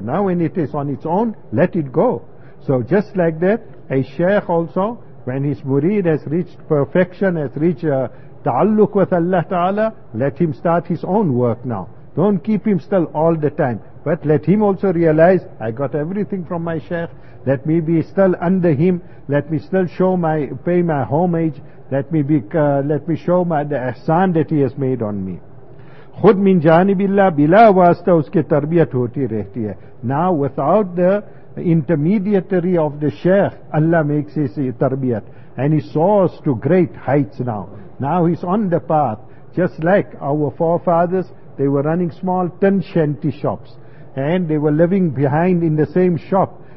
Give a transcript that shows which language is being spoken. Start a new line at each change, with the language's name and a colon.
English: Now when it is on its own, let it go. So just like that, a sheikh also, when his murid has reached perfection, has reached ta'alluq with Allah Ta'ala, let him start his own work now. Don't keep him still all the time. But let him also realize, I got everything from my sheikh. Let me be still under him. Let me still pay my homage. Let me show the ihsan that he has made on me.
Urdu: خود من جانب اللہ بلا واسطہ اس کے تربیت ہوتی رہتی ہے.
English: Now without the intermediary of the sheikh, Allah makes his tarbiyat. And he soars to great heights now. Now he's on the path. Just like our forefathers, They were running small tin shanty shops, and they were living behind in the same shop.